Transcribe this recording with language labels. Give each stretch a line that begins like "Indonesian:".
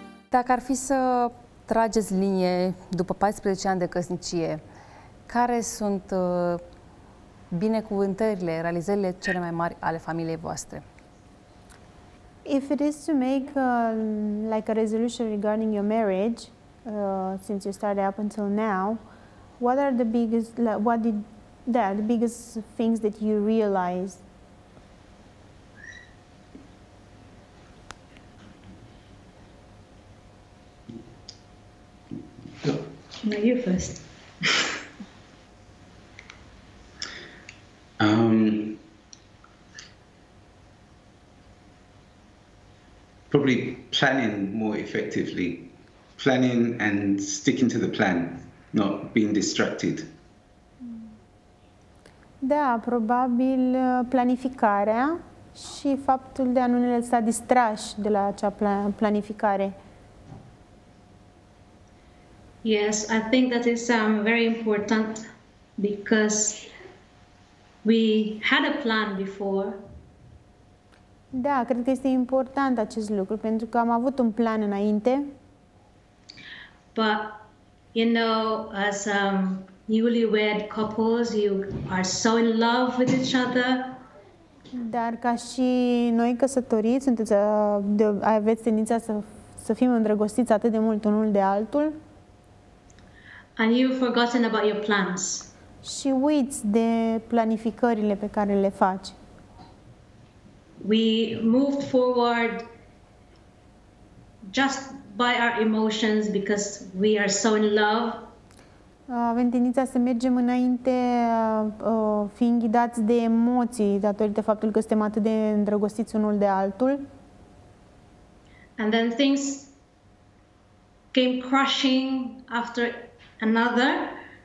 Romanian: Dacă ar fi să trageți linie după 14 ani de căsnicie, care sunt binecuvântările, realizările cele mai mari ale familiei voastre?
English: If it is to make like a resolution regarding your marriage, since you started up until now, what are the biggest, like, what did that, the biggest things that you realize? No, you first. Probably planning more effectively. Planning and sticking to the plan, not being distracted.
Romanian: Da, probabil planificarea și faptul de a nu ne lăsa distrași de la acea planificare.
English: Yes, I think that is very important because we had a plan before.
Romanian: Da, cred că este important acest lucru pentru că am avut un plan înainte.
English: But you know, as newlywed couples, you are so in love with each other.
Romanian: Dar ca și noi căsătoriți, sunteți aveți tendința să fim îndrăgostiți atât de mult unul de altul.
English: And you've forgotten about your plans.
Romanian: Și uiți de planificările pe care le faci.
English: We moved forward just by our emotions because we are so in love.
Romanian: Avem tendința să mergem înainte fiind ghidați de emoții datorită faptul că suntem atât de îndrăgostiți unul de altul.
English: And then things came crashing after another.